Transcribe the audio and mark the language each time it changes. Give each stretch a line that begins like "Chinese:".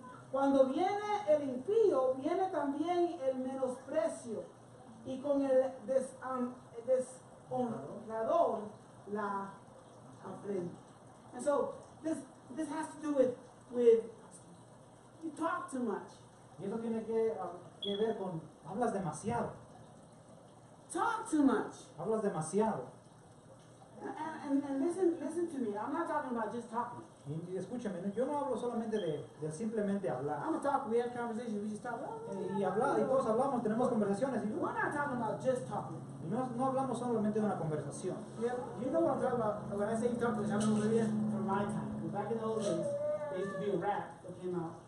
Spanish: Cuando viene el impío, viene también el menosprecio y con el deshonrador la afrenta.
English: And so this has to do with you talk too much.
Spanish: Y esto tiene que ver con hablas demasiado.
English: Talk too much.
Spanish: Hablas demasiado.
English: And listen to me. I'm not talking about just talking.
Spanish: Y escúchame, yo no hablo solamente de simplemente hablar.
English: I'm gonna talk, we have conversations, we just talk.
Spanish: Y todos hablamos, tenemos conversaciones.
English: We're not talking about just talking.
Spanish: Y no hablamos solamente de una conversación.
English: Yeah, you know what I'm talking about. When I say talking, I'm talking from my time. back in the old days, there used to be a rap that came out.